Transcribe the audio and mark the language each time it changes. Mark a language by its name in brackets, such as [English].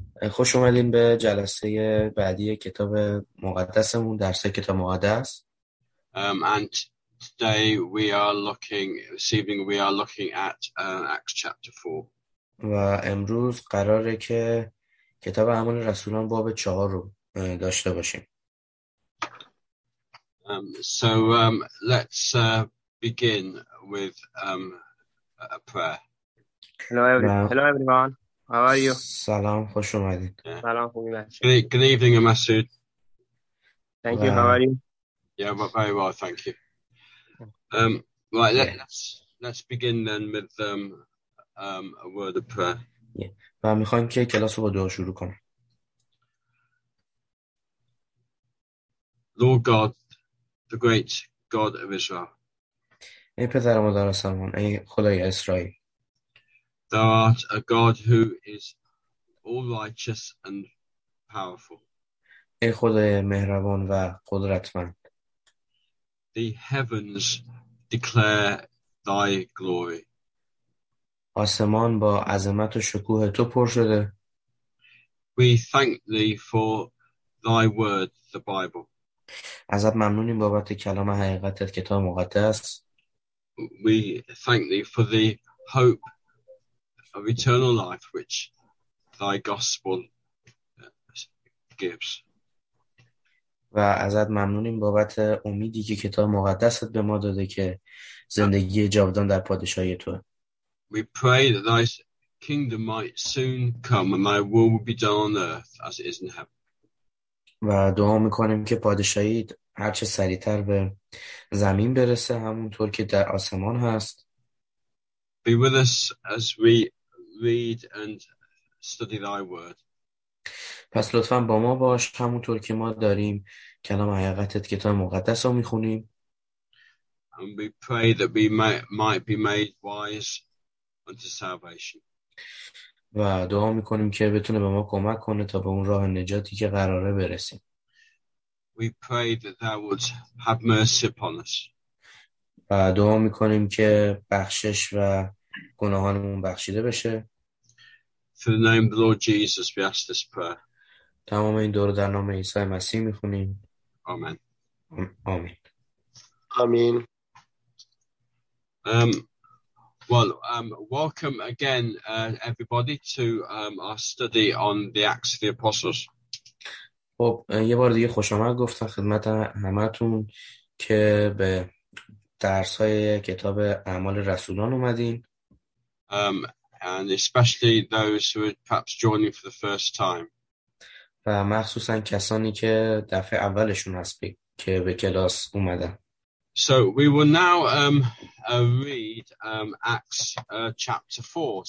[Persian] خوش اومدین به جلسه بعدی کتاب مقدسمون، درس کتاب مقدس. [English] And today we are looking, this evening we are looking at Acts chapter 4. [Persian] و امروز قراره که کتاب اعمال رسولان باب 4 رو داشته باشیم. [English] So let's begin with a prayer. Hello everyone. How are you? [Persian] سلام، خوش اومدید. سلام، خوبی بچه. [English] Good evening, Masood. Thank you. How are you? Yeah, but very well, thank you. Right, let's begin then with a word of prayer. [Persian] و میخوام که کلاس رو با دعا شروع کنم. [English] Lord God, the great God of Israel. [Persian] ای پدر مادر آسمان، ای خدای اسرائیل. [English] Thou art a God who is all righteous and powerful. [Persian] ای خدای مهربان و قدرتمند. [English] The heavens declare thy glory. [Persian] آسمان با عظمت و شکوه تو پر شده. [English] We thank thee for thy word, the Bible. [Persian] ازت ممنونیم بابت کلام حقیقت کتاب مقدس. [English] We thank thee for the hope of eternal life which thy gospel gives. [Persian] و ازت ممنونیم بابت امیدی که کتاب مقدست به ما داده که زندگی جاودان در پادشاهی تو. [English] We pray that thy kingdom might soon come and thy will be done on earth as it is in heaven. [Persian] و دعا میکنیم که پادشاهی هرچه سریعتر به زمین برسه همونطور که در آسمان هست. [English] Be with us as we read and study thy word. [Persian] پس لطفا با ما باش همونطور که ما داریم کلام حقیقتت کتاب مقدس رو میخونیم. [English] And we pray that we might be made wise unto salvation. [Persian] و دعا میکنیم که بتونه به ما کمک کنه تا به اون راه نجاتی که قراره برسیم. [English] We pray that thou would have mercy upon us. [Persian] و دعا میکنیم که بخشش و گناهانمون بخشیده بشه. [English] Through the name of the Lord Jesus we ask this prayer. [Persian] تمام این دور در نام عیسی مسیح میخونیم. آمین. آمین. آمین. [English] Welcome again everybody to our study on the Acts of the Apostles. [Persian] خب یه بار دیگه خوش آمد گفتم خدمت همتون که به درس های کتاب اعمال رسولان اومدین. [English] And especially those who are perhaps joining for the first time. [Persian] و مخصوصا کسانی که دفعه اولشون هست که به کلاس اومدن. [English] So we will now read Acts chapter 4.